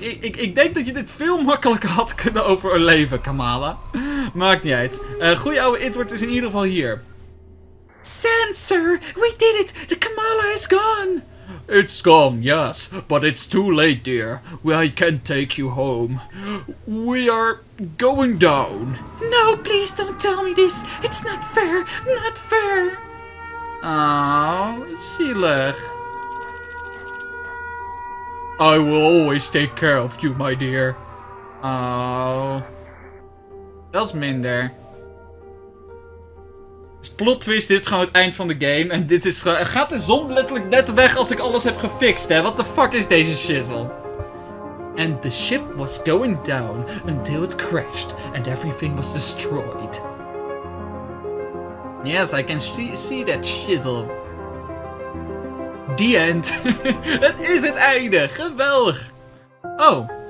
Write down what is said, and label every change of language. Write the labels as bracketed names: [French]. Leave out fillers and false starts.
[Dutch] Ik denk dat je dit veel makkelijker had kunnen overleven, Kamala. Maakt niet uit. Goeie oude Edward is in ieder geval hier. [English] Sensor, we did it. The Kamala is gone. It's gone, yes, but it's too late, dear. I can't take you home. We are going down. No, please don't tell me this. It's not fair, not fair. [Dutch] Aww, zielig. [English] I will always take care of you, my dear. [Dutch] Aww. Dat is minder. Plot twist, dit is gewoon het eind van de game. En dit is gaat de zon letterlijk net weg als ik alles heb gefixt, hè? [English] What the fuck is deze shizzle? And the ship was going down until it crashed and everything was destroyed. Yes, I can see that shizzle. The end. [Dutch] Het is het einde. Geweldig. Oh.